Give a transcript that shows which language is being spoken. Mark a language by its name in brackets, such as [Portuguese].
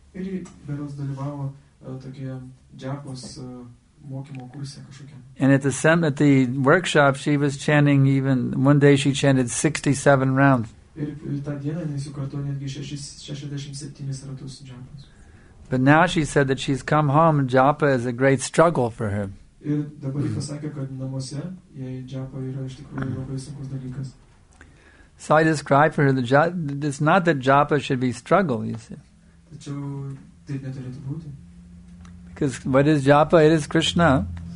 [English] And at the workshop, she was chanting even, one day she chanted 67 rounds. But now she said that she's come home, japa is a great struggle for her. [Lithuanian] Ir dabar jis pasakė, kad namuose, jei džiapa yra iš tikrųjų labai sunkus dalykas. [English] So I describe for her, it's not that japa should be struggle, you see. Because what is japa? It is Krishna.